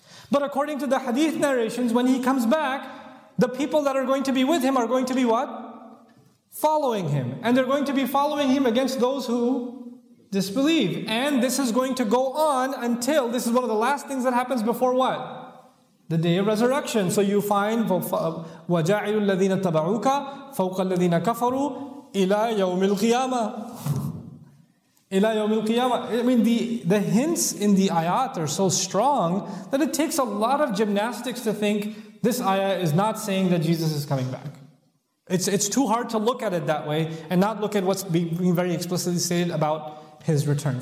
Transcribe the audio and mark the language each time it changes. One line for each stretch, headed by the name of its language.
English: But according to the hadith narrations, when He comes back, the people that are going to be with Him are going to be what? Following Him. And they're going to be following Him against those who disbelieve. And this is going to go on until, this is one of the last things that happens before what? The day of resurrection. So you find,
Arabic: وَجَعِلُ الَّذِينَ اتَّبَعُوكَ فَوْقَ الَّذِينَ كَفَرُوا إِلَى يَوْمِ الْقِيَامَةِ إِلَى يَوْمِ الْقِيَامَةِ.
English: I mean, the hints in the ayat are so strong that it takes a lot of gymnastics to think this ayah is not saying that Jesus is coming back. It's too hard to look at it that way and not look at what's being very explicitly stated about His return.